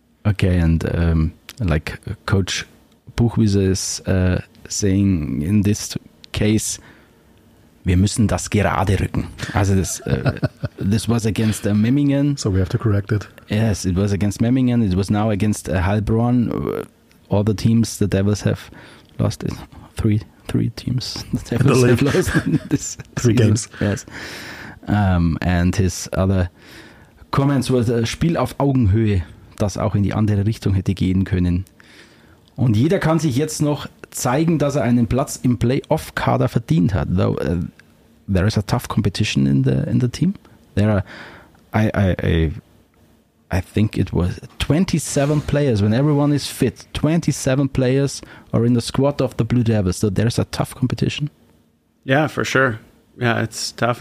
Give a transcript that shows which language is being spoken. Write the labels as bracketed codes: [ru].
[en] Okay, and like Coach Buchwiese is saying in this case, wir müssen das gerade rücken. Also this was against Memmingen. So we have to correct it. Yes, it was against Memmingen. It was now against Heilbronn. All the teams the Devils have lost it. Three teams that have lost this three season. Games. Yes. [de] And his other comments was Spiel auf Augenhöhe, das auch in die andere Richtung hätte gehen können. Und jeder kann sich jetzt noch zeigen, dass er einen Platz im Playoff-Kader verdient hat. [en] Though there is a tough competition in the team. There are I I think it was 27 players. When everyone is fit, 27 players are in the squad of the Blue Devils. So there's a tough competition. Yeah, for sure. Yeah, it's tough.